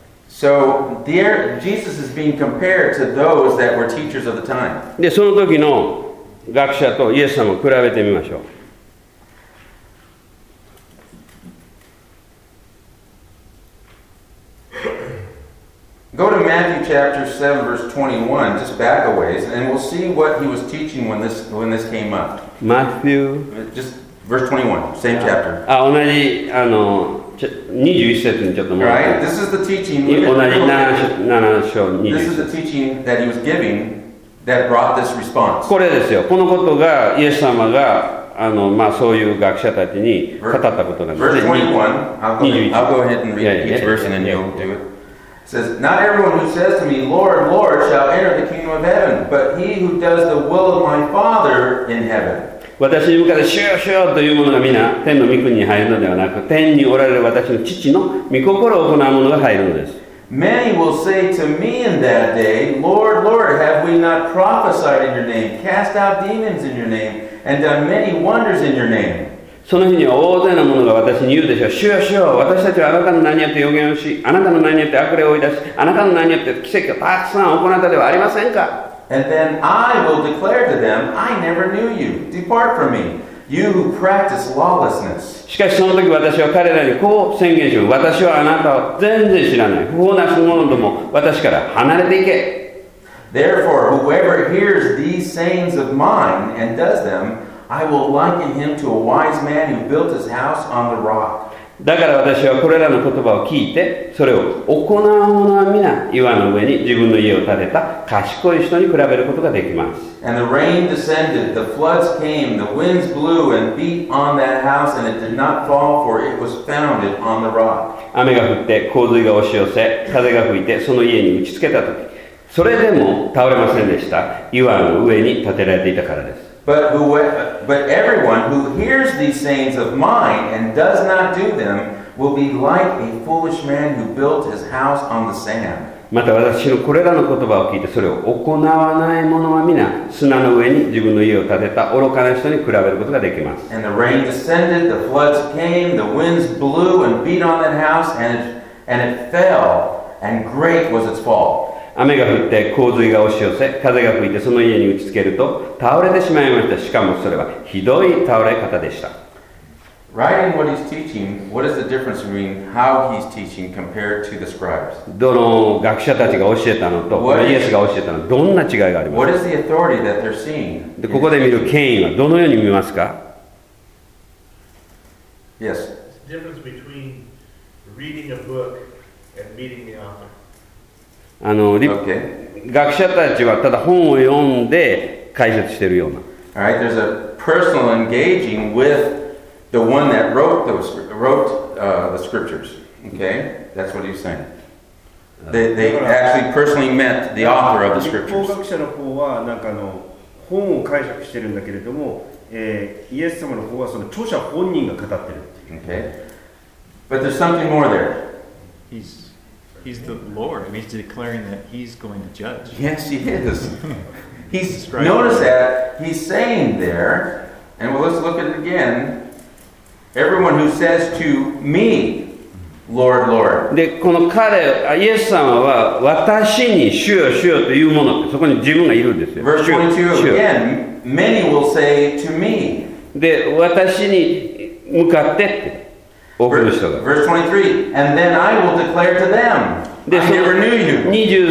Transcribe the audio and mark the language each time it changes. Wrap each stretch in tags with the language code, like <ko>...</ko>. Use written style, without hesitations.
<en>So there, Jesus is being compared to those that were teachers of the time.</en> <ja>でその時の学者とイエス様を比べてみましょう</ja> <en>Go to Matthew chapter 7 verse 21, just back a ways, and we'll see what he was teaching when this came up. Matthew? Just verse 21, same chapter.</en> <ja>同じ、あの、21節にちょっと戻って。</ja> <en>Right? This is the teaching.</en> <ja>同じ7章21節。</ja> <en>This is the teaching that he was giving that brought this response.</en> <ja>これですよ。このことが、イエス様が、あのまあ、そういう学者たちに語ったことなんですね。</ja> <en>Verse 21, I'll go ahead and read each verse and then you'll do it. Says, not everyone who says to me, Lord, Lord, shall enter the kingdom of heaven, but he who does the will of my Father in heaven.</en> <ja>私に向かってシューシューというものが皆天の御国に入るのではなく、天におられる私の父の御心を行うものが入るのです。</ja> <en>Many will say to me in that day, Lord, Lord, have we not prophesied in your name, cast out demons in your name, and done many wonders in your name?</en> <ja>その日には大勢の者が私に言うでしょう。主よ主よ、私たちはあなたの名によって予言をし、あなたの名によって悪霊を追い出し、あなたの名によって奇跡をたくさん行ったではありませんか。</ja> <en>And then I will declare to them, I never knew you. Depart from me, you who practice lawlessness.</en> <ja>しかしその時私は彼らにこう宣言します。私はあなたを全然知らない。不法なす者ども、私から離れていけ。</ja> <en>Therefore, whoever hears these sayings of mine and does them, I will liken him to a wise man who built his house on the rock.</en> <ja>だから私はこれらの言葉を聞いて、それを行う者は皆岩の上に自分の家を建てた賢い人に比べることができます。</ja> <en>And the rain descended, the floods came, the winds blew and beat on that house, and it did not fall, for it was founded on the rock.</en> <ja>雨が降って洪水が押し寄せ、風が吹いてその家に打ちつけた時、それでも倒れませんでした。岩の上に建てられていたからです。</ja> <en>But everyone who hears these sayings of mine and does not do them will be like a foolish man who built his house on the sand.</en> <ja>また私のこれらの言葉を聞いてそれを行わない者は皆砂の上に自分の家を建てた愚かな人に比べることができます。</ja> <en>And the rain descended, the floods came, the winds blew and beat on that house, and it fell, and great was its fall.</en> <ja>雨が降って洪水が押し寄せ、風が吹いてその家に打ちつけると倒れてしまいました。しかもそれはひどい倒れ方でした。</ja> <en>Writing what he's teaching, what is the difference between how he's teaching compared to the scribes?</en> <ja>どの学者たちが教えたのとこのイエスが教えたのどんな違いがありますか？</ja> <en>What is the authority that they're seeing?</en> <ja>でここで見る権威はどのように見ますか？</ja> <en>Yes. It's the difference between reading a book and meeting the author. Okay.</en> <ja>学者たちはただ本を読んで解説しているような。</ja> <en>All right. There's a personal engaging with the one that wrote the scriptures. Okay. That's what he's saying. They actually personally met the author of the scriptures.</en> <ja>律法学者の方はなんかの本を解釈してるんだけれども、イエス様の方はその著者本人が語ってるっていう。</ja> <en>Okay. But there's something more there. He's the Lord, and he's declaring that he's going to judge. Yes, he is. He's notice that he's saying there, and well, let's look at it again. Everyone who says to me, Lord, Lord.</en> <ja>で、この彼、イエス様は私に主よ主よというもの、そこに自分がいるんですよ。</ja> <en>Verse 22 again, many will say to me.</en> <ja>で、私に向かってって。</ja> <en>Verse 23, and then I will declare to them, I never knew you.</en>